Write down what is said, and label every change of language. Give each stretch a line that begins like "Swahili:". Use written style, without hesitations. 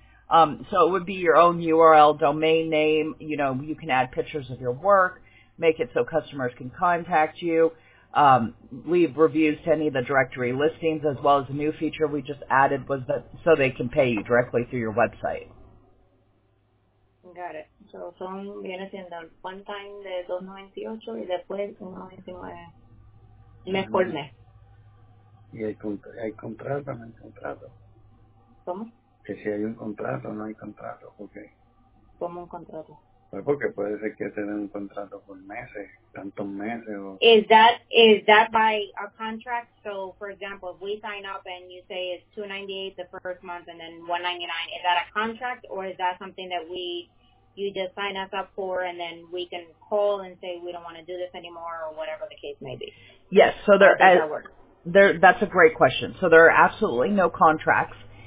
English: So it would be your own URL domain name. You know, you can add pictures of your work, make it so customers can contact you. leave reviews to any of the directory listings, as well as a new feature we just added was that so they can pay you directly through your website. Got it.
Spanish: So son viene siendo el
English: one time
Spanish: de $2.98 y después $1.99 mes por mes. Y hay contrato, no hay contrato. ¿Cómo? Que si hay un contrato, no hay contrato. Okay. ¿Cómo un contrato? Pues porque puede ser que te den un contrato por meses, tantos meses. O...
English: Is that by a contract? So, for example, if we sign up and you say it's $2.98 the first month and then $1.99, is that a contract or is that something that we, you just sign us up for and then we can call and say we don't want to do this anymore or whatever the case may be? Yes, so that's a great question. So there are absolutely no contracts.